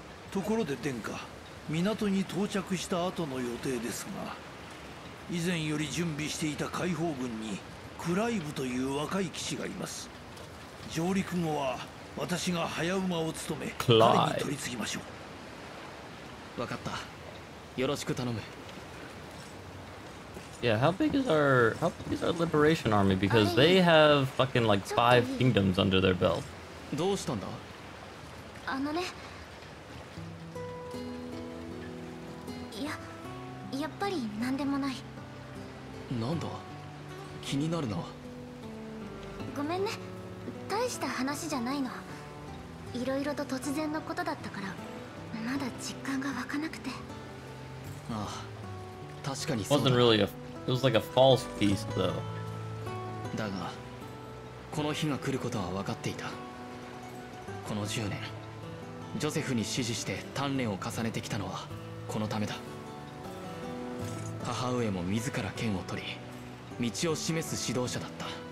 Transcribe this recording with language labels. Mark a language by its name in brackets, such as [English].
[Japanese] ところで殿下、港に到着した後の予定ですが、以前より準備していた解放軍にクライブという若い騎士がいます。上陸後は私が早馬を務め彼に取り次ぎましょう。わかった、よろしく頼む。 [English] Yeah, how big is our liberation army? Because they have fucking like 5 kingdoms under their belt. [Japanese] どうしたんだ？あのね、やっぱり何でもない。なんだ、気になるな。ごめんね、大した話じゃないの。いろいろと突然のことだったから、まだ実感が湧かなくて。ああ、確かにそうだ。 [English] Wasn't really a, it was like a false peace though. [Japanese] だが、この日が来ることは分かっていた。この10年、ジョセフに指示して鍛錬を重ねてきたのはこのためだ。母上も自ら剣を取り、道を示す指導者だった。